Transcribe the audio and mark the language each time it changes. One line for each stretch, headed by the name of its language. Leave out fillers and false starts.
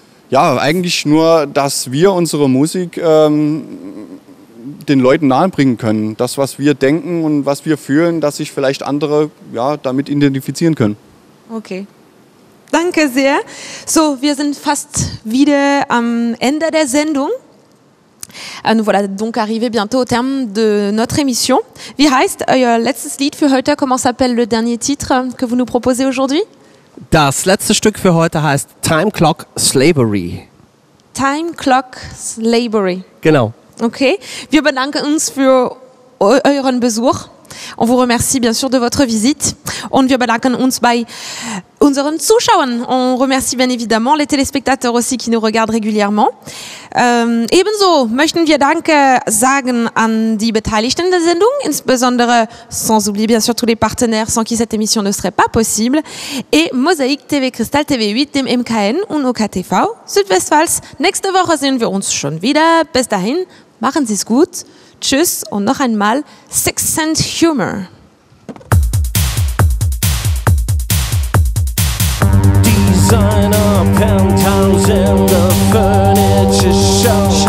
German: Ja, eigentlich nur, dass wir unsere Musik den Leuten nahebringen können. Das, was wir denken und was wir fühlen, dass sich vielleicht andere ja, damit identifizieren können. Okay, danke sehr. So, wir sind fast wieder am Ende der Sendung.
French: Nous voilà donc arrivés bientôt au terme de notre émission.
German: Wie heißt euer letztes Lied für heute?
French: Comment s'appelle le dernier titre que vous nous proposez aujourd'hui?
German: Das letzte Stück für heute heißt Time Clock Slavery. Time Clock Slavery. Genau. Okay. Wir bedanken uns für euren Besuch.
French: On vous remercie bien sûr de votre visite.
German: Und wir bedanken uns bei unseren Zuschauern.
French: On remercie bien évidemment les téléspectateurs aussi qui nous regardent régulièrement.
German: Ebenso möchten wir Danke sagen an die Beteiligten der Sendung, insbesondere
French: sans oublier bien sûr tous les partenaires sans qui cette émission ne serait pas possible, et Mosaïque TV Crystal TV 8,
German: dem MKN und OKTV Südwestpfalz. Nächste Woche sehen wir uns schon wieder. Bis dahin, machen Sie es gut. Tschüss und noch einmal Six Cent Humor.
English: Designer Penthouse in the Furniture Show.